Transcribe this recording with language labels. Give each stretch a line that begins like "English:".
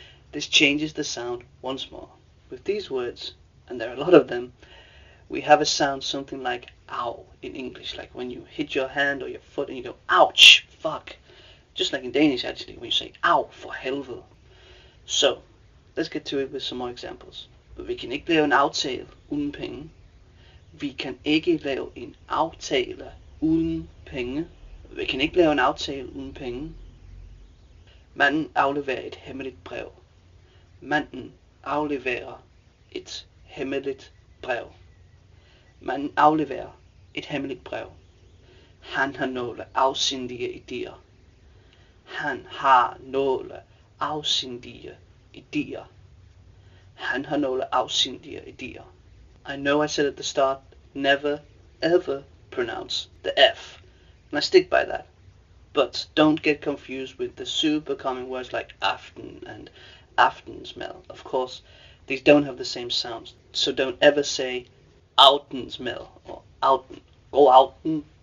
English: This changes the sound once more. With these words, and there are a lot of them, we have a sound something like ow in English, like when you hit your hand or your foot and you go, ouch, fuck. Just like in Danish, actually, when you say ow,
Danish: for helvede.
English: So, let's get to it with some more examples.
Danish: Vi kan ikke lave en aftale uden penge. Vi kan ikke lave en aftale uden penge. Vi kan ikke lave en aftale uden penge. Manden afleverer et hemmeligt brev. Manden afleverer et hemmeligt brev. Manden afleverer et hemmeligt brev. Han har nogle afsindige idéer. Han har nogle afsindige idéer. Han har nogle afsindige idéer.
English: I know I said at the start, never ever pronounce the F. And I stick by that. But don't get confused with the super common words like aften and aften smell. Of course, these don't have the same sounds. So don't ever say outen smell or outen. Go outen.